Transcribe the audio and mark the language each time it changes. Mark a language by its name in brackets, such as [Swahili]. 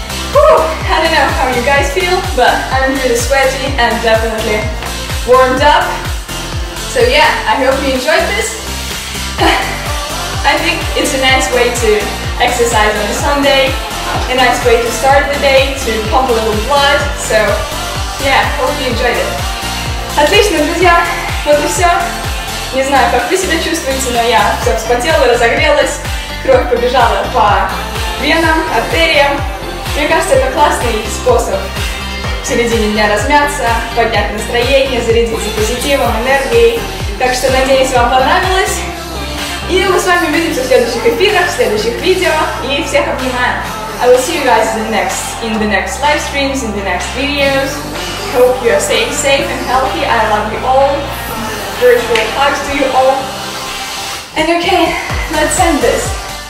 [English] Whew, I don't know how you guys feel, but I'm really sweaty and definitely warmed up. So yeah, I hope you enjoyed this. I think it's a nice way to exercise on a Sunday, a nice way to start the day, to pump a little blood. So yeah, hope you enjoyed it. [Russian] Отлично, друзья, вот и все. Не знаю, как вы себя чувствуете, но я все вспотела, разогрелась, кровь побежала по венам, артериям. Мне кажется, это классный способ в середине дня размяться, поднять настроение, зарядиться позитивом, энергией. Так что, надеюсь, вам понравилось. И мы с вами увидимся в следующих эфирах, в следующих видео. И всех обнимаю. [English] I will see you guys in the next live streams, in the next videos. Hope you are staying safe and healthy. I love you all. Virtual hugs to you all. And okay, let's end this.